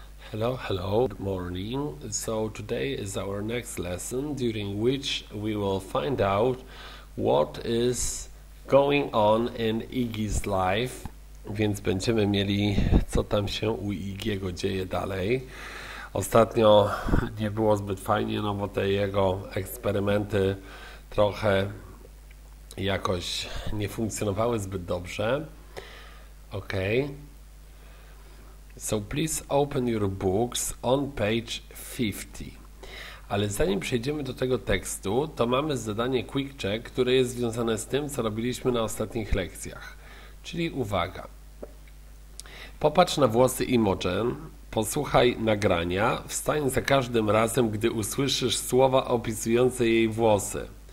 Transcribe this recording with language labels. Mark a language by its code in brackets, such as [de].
[en] Hello, hello, good morning. So today is our next lesson during which we will find out what is going on in Iggy's life. [pl] Więc będziemy mieli, co tam się u Iggy'ego dzieje dalej. Ostatnio nie było zbyt fajnie, no bo te jego eksperymenty trochę jakoś nie funkcjonowały zbyt dobrze. Ok. [en] So please open your books on page 50. [pl] Ale zanim przejdziemy do tego tekstu, to mamy zadanie quick check, które jest związane z tym, co robiliśmy na ostatnich lekcjach. Czyli uwaga. Popatrz na włosy Imogen, posłuchaj nagrania, wstań za każdym razem, gdy usłyszysz słowa opisujące jej włosy.